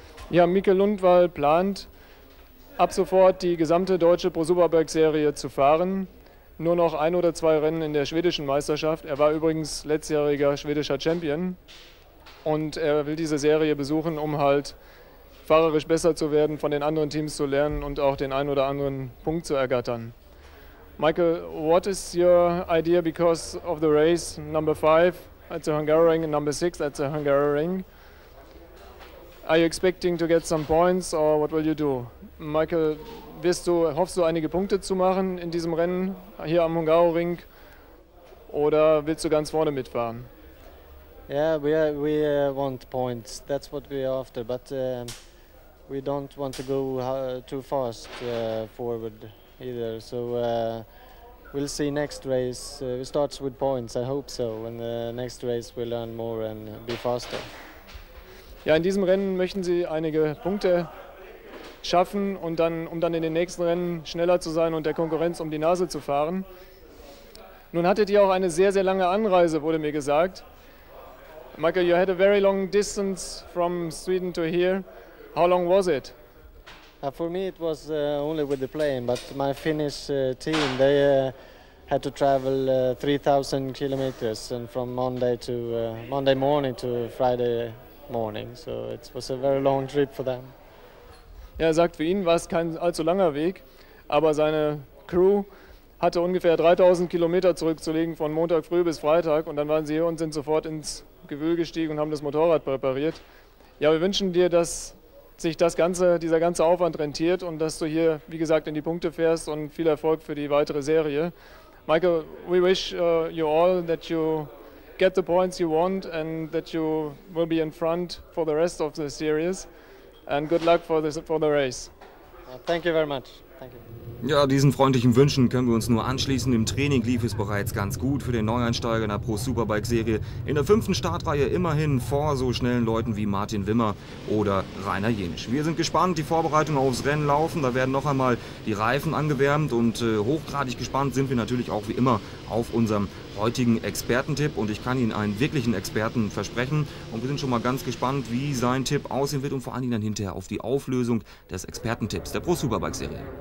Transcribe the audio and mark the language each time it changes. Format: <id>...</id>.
<de>Ja, Mikael Lundvall plant, ab sofort die gesamte deutsche Pro Superbike-Serie zu fahren. Nur noch ein oder zwei Rennen in der schwedischen Meisterschaft. Er war übrigens letztjähriger schwedischer Champion. Und er will diese Serie besuchen, um halt fahrerisch besser zu werden, von den anderen Teams zu lernen und auch den einen oder anderen Punkt zu ergattern.</de> <en>Michael, what is your idea because of the race number 5 at the Hungaroring and number 6 at the Hungaroring? Are you expecting to get some points or what will you do?</en> <de>Michael, hoffst du einige Punkte zu machen in diesem Rennen hier am Hungaroring oder willst du ganz vorne mitfahren?</de> <en>Yeah, we want points. That's what we are after. But we don't want to go too fast forward either. So we'll see next race. It starts with points. I hope so. And the next race we learn more and be faster.</en> <de>Ja, in diesem Rennen möchten Sie einige Punkte schaffen und dann, um dann in den nächsten Rennen schneller zu sein und der Konkurrenz um die Nase zu fahren. Nun hattet ihr auch eine sehr, sehr lange Anreise, wurde mir gesagt.</de> <en>Michael, you had a very long distance from Sweden to here. How long was it? For me, it was only with the plane, but my Finnish team, they had to travel 3,000 kilometers and from Monday morning to Friday morning. So it was a very long trip for them.</en> <de>Ja, er sagt, für ihn war es kein allzu langer Weg, aber seine Crew hatte ungefähr 3000 Kilometer zurückzulegen von Montag früh bis Freitag und dann waren sie hier und sind sofort ins Gewühl gestiegen und haben das Motorrad präpariert. Ja, wir wünschen dir, dass sich dieser ganze Aufwand rentiert und dass du hier, wie gesagt, in die Punkte fährst und viel Erfolg für die weitere Serie.</de> <en>Michael, we wish you all that you get the points you want and that you will be in front for the rest of the series. And good luck for the race. Thank you very much. Thank you.</en> <de>Ja, diesen freundlichen Wünschen können wir uns nur anschließen. Im Training lief es bereits ganz gut für den Neueinsteiger in der Pro Superbike Serie. In der fünften Startreihe immerhin vor so schnellen Leuten wie Martin Wimmer oder Rainer Jenisch. Wir sind gespannt, die Vorbereitungen aufs Rennen laufen. Da werden noch einmal die Reifen angewärmt und hochgradig gespannt sind wir natürlich auch wie immer auf unserem heutigen Expertentipp und ich kann Ihnen einen wirklichen Experten versprechen und wir sind schon mal ganz gespannt, wie sein Tipp aussehen wird und vor allen Dingen dann hinterher auf die Auflösung des Expertentipps der Pro Superbike Serie.</de>